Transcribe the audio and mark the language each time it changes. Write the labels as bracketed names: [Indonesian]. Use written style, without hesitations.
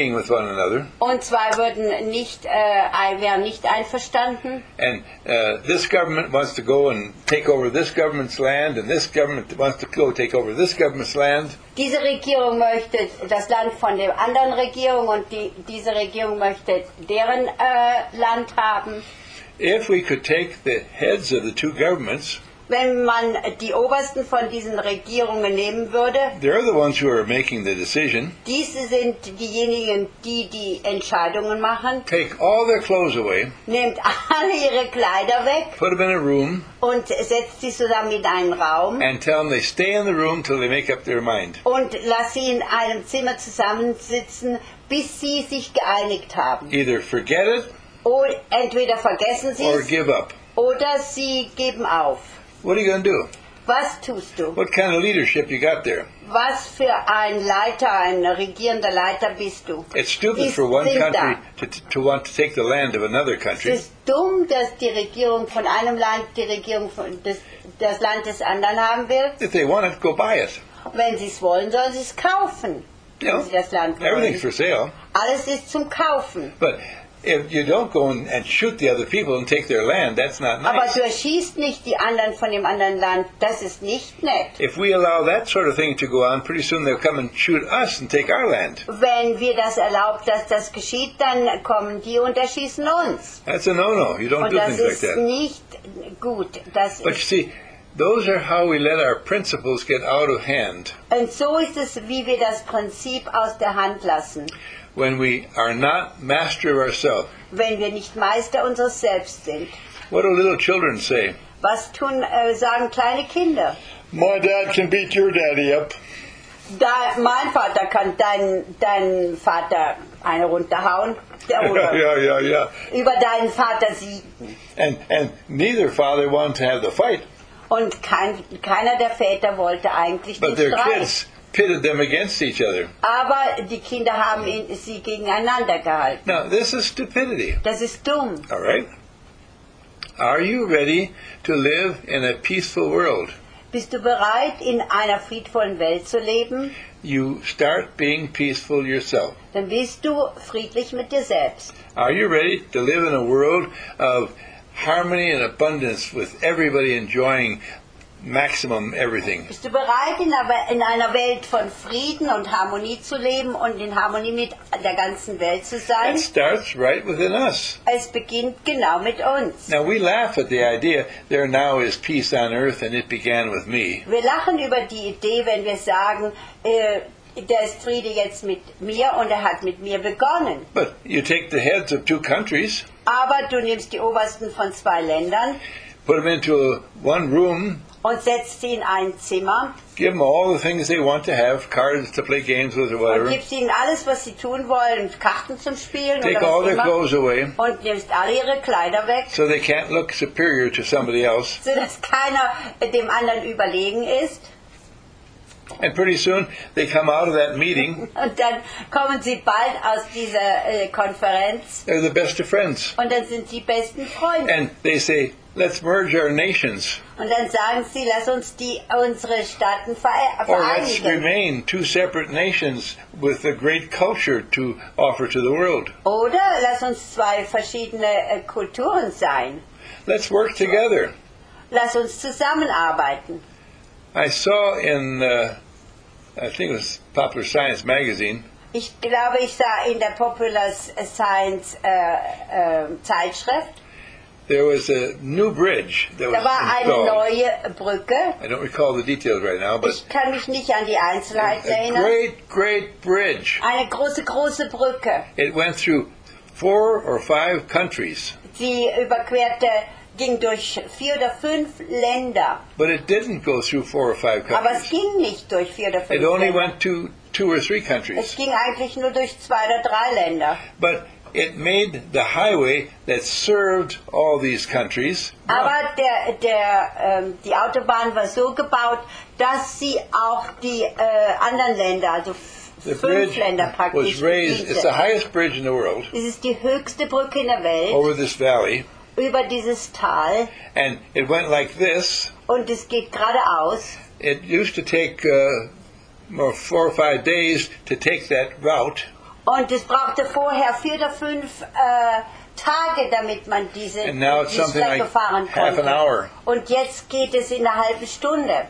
[German] Und zwei würden nicht, wären nicht einverstanden. [English] And this government wants to go and take over this government's land, and this government wants to go take over this government's land. [German] Diese Regierung möchte das Land von der anderen Regierung und diese Regierung möchte deren Land haben. [English] If we could take the heads of the two governments. [German] Wenn man die Obersten von diesen Regierungen nehmen würde, [English] the ones who are making the decision, [German] diese sind diejenigen, die Entscheidungen machen, [English] take all their clothes away, [German] nehmt alle ihre Kleider weg, [English] put them in a room, [German] und setzt sie zusammen in einen Raum, [English] and tell them they stay in the room till they make up their mind. [German] Und lass sie in einem Zimmer zusammensitzen, bis sie sich geeinigt haben. [English] Either forget it, [German] oder entweder vergessen sie [English] or give up. [German] Oder sie geben auf. [English] What are you going to do? [German] Was tust du? [English] What kind of leadership you got there? [German] Was für ein Leiter, ein regierender Leiter bist du? [English] It's stupid for one country to want to take the land of another country. [German] Es ist dumm, dass die Regierung von einem Land die Regierung von das Land des anderen haben will. [English] If they want it, go buy it. [German] Wenn sie es wollen, sollen sie es kaufen. [English] Yeah. [German] Wenn sie das Land wollen. [English] Everything's for sale. [German] Alles ist zum Kaufen. [English] But if you don't go and shoot the other people and take their land, that's not nice. [German] Aber du erschießt nicht die anderen von dem anderen Land. Das ist nicht nett. [English] If we allow that sort of thing to go on, pretty soon they'll come and shoot us and take our land. [German] Wenn wir das erlaubt, dass das geschieht, dann kommen die und erschießen uns. [English] That's a no-no. You don't do things like that. [German] Und das ist nicht gut. Das [English] But you see, those are how we let our principles get out of hand. [German] Und so ist es, wie wir das Prinzip aus der Hand lassen. [English] When we are not master of ourselves. [German] Wenn wir nicht Meister unseres Selbst sind. [English] What do little children say? [German] Was tun sagen kleine Kinder? [English] My dad can beat your daddy up. [German] Mein Vater kann dein Vater eine runterhauen. [English] Yeah. [German] Über deinen Vater siegen. [English] And neither father wanted to have the fight. [German] Und keiner der Väter wollte eigentlich [English] but [German] den Streit. [English] Pitted them against each other. [German] Aber die Kinder haben sie gegeneinander gehalten. [English] Now, this is stupidity. [German] Das ist dumm. [English] All right. Are you ready to live in a peaceful world? [German] Bist du bereit, in einer friedvollen Welt zu leben? [English] You start being peaceful yourself. [German] Dann bist du friedlich mit dir selbst. [English] Are you ready to live in a world of harmony and abundance with everybody enjoying maximum everything. [German] Bist du bereit, in einer Welt von Frieden und Harmonie zu leben und in Harmonie mit der ganzen Welt zu sein? [English] It starts right within us. [German] Es beginnt genau mit uns. [English] Now we laugh at the idea there now is peace on earth and it began with me. [German] Wir lachen über die Idee, wenn wir sagen, der ist Friede jetzt mit mir und er hat mit mir begonnen. [English] But you take the heads of two countries. [German] Aber du nimmst die Obersten von zwei Ländern. [English] Put them into one room. [German] Und setzt sie in ein Zimmer. [English] Give them all the things they want to have, cards to play games with or whatever. [German] Und gibst ihnen alles, was sie tun wollen, Karten zum Spielen oder was immer. [English] Take all their clothes away. [German] Und nimmst alle ihre Kleider weg. [English] So they can't look superior to somebody else. [German] So dass keiner dem anderen überlegen ist. [English] And pretty soon they come out of that meeting. [German] Und dann kommen sie bald aus dieser Konferenz. [English] They're the best of friends. [German] Und dann sind sie besten Freunde. [English] And they say, let's merge our nations. [German] Und dann sagen sie, lass uns die unsere Staaten vereinigen. [English] Or let's remain two separate nations with a great culture to offer to the world. [German] Oder lass uns zwei verschiedene Kulturen sein. [English] Let's work together. [German] Lass uns zusammenarbeiten. [English] I saw in I think it was Popular Science magazine. [German] Ich glaube, ich sah in der Popular Science Zeitschrift. [English] There was a new bridge that [German] da war [English] was [German] eine neue Brücke. [English] I don't recall the details right now, but [German] ich kann mich nicht an die Einzelheiten erinnern. [English] A great, great bridge. [German] Eine große, große Brücke. [English] It went through four or five countries. [German] Sie überquerte ging durch vier oder fünf Länder. [English] But it didn't go through four or five countries. [German] Aber es ging nicht durch vier oder fünf Länder. [English] It only [German] Länder. [English] Went to two or three countries. [German] Es ging eigentlich nur durch zwei oder drei Länder. [English] But it made the highway that served all these countries. [German] Aber die Autobahn war so gebaut, dass sie auch die anderen Länder, also [English] the bridge was raised. [German] Diese. [English] It's the highest bridge in the world. [German] Es ist die höchste Brücke in der Welt. [English] Over this valley. [German] Über dieses Tal. [English] And it went like this. [German] Und es geht geradeaus. [English] It used to take more 4 or 5 days to take that route. [German] Und es brauchte vorher 4 oder 5 Tage, damit man diese Strecke [English] like [German] fahren konnte. [English] Half an hour. [German] Und jetzt geht es in einer halben Stunde.